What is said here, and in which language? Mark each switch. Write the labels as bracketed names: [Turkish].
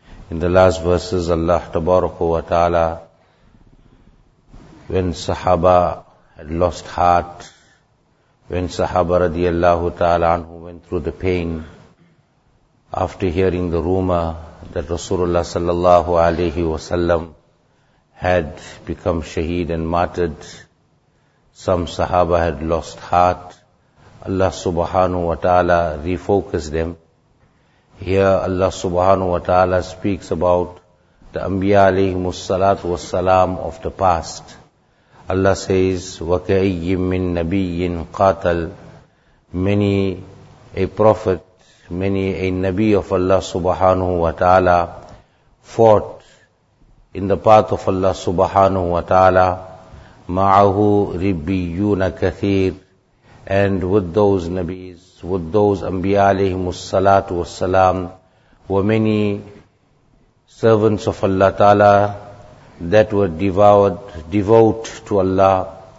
[English] In the last verses, Allah Tabaraka wa Ta'ala, when Sahaba had lost heart, when Sahaba radiallahu ta'ala anhu went through the pain, after hearing the rumor that Rasulullah sallallahu alayhi wa sallam had become shaheed and martyred, some Sahaba had lost heart. Allah subhanahu wa ta'ala refocused them. Here Allah subhanahu wa ta'ala speaks about the Anbiya alayhimus salatu was salam of the past. Allah says, [Arabic] وَكَأَيِّمْ مِنْ نَبِيٍ قَاتَلْ. [English] Many a prophet, many a nabi of Allah subhanahu wa ta'ala fought in the path of Allah subhanahu wa ta'ala. [Arabic] مَعَهُ رِبِّيُّونَ كَثِيرٌ. [English] And with those Nabis, with those Anbiya alayhimus salatu was salam, were many servants of Allah Ta'ala that were devout to Allah.